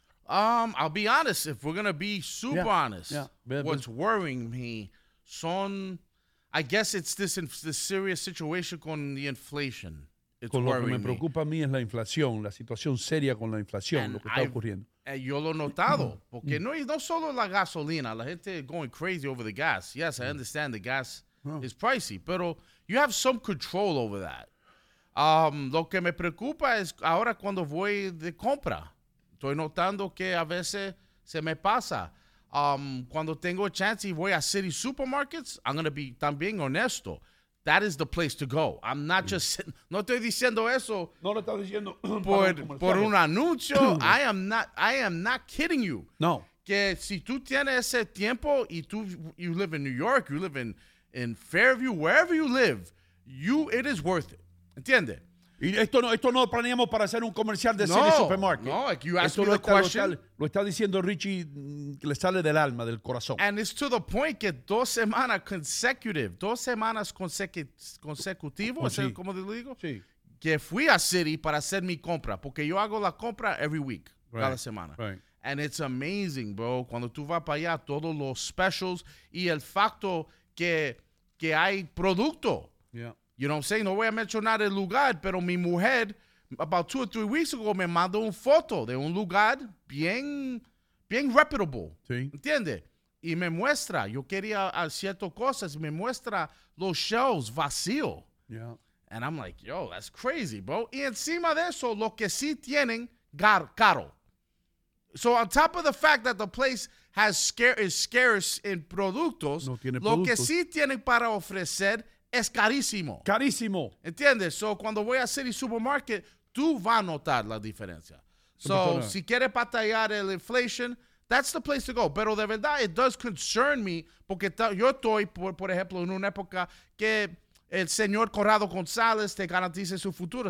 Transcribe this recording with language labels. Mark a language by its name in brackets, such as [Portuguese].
[English] I'll be honest, if we're going to be super honest, what's worrying me son, I guess it's this, this serious situation con the inflation. It's [Spanish] con lo worrying que me preocupa a mí es la inflación, la situación seria con la inflación, [English] and [Spanish] lo que está ocurriendo. Yo lo he notado, porque no solo la gasolina, la gente [English] going crazy over the gas. Yes, I understand the gas is pricey, pero you have some control over that. [Spanish] Lo que me preocupa es ahora cuando voy de compra. Estoy notando que a veces se me pasa. Cuando tengo chance y voy a city supermarkets, [English] I'm going to be [Spanish] también honesto. [English] That is the place to go. I'm not just... [Spanish] No estoy diciendo eso... No lo estás diciendo... Por un anuncio. [English] I am not kidding you. [Spanish] No. Que si tú tienes ese tiempo y tú... [English] You live in New York, you live in Fairview, wherever you live, it is worth it. [Spanish] ¿Entiendes? Y esto no lo planeamos para hacer un comercial de City Supermarket. [English] No, like you asked me the question. [Spanish] Lo está diciendo Richie, que le sale del alma, del corazón. [English] And it's to the point [Spanish] que dos semanas consecutivas, sí. ¿Cómo te lo digo? Sí. Que fui a City para hacer mi compra, porque yo hago la compra [English] every week, [Spanish] cada semana. [English] Right. And it's amazing, bro. [Spanish] Cuando tú vas para allá, todos los specials y el facto que hay producto. [English] Yeah. You know what I'm saying? [Spanish] No voy a mencionar el lugar, pero mi mujer, [English] about 2 or 3 weeks ago, [Spanish] me mandó una foto de un lugar bien, bien reputable. Sí. ¿Entiendes? Y me muestra, yo quería ciertas cosas, me muestra los shelves vacíos. [English] Yeah. And I'm like, yo, that's crazy, bro. [Spanish] Y encima de eso, lo que sí tienen, caro. [English] So on top of the fact that the place is scarce in productos, [Spanish] no tiene lo productos. Que sí tienen para ofrecer es carísimo. Carísimo. ¿Entiendes? So, cuando voy a City Supermarket, tú vas a notar la diferencia. [English] So, [Spanish] si quieres batallar el [English] inflation, that's the place to go. [Spanish] Pero de verdad, [English] it does concern me [Spanish] porque yo estoy, por ejemplo, en una época que el señor Corrado González te garantice su futuro.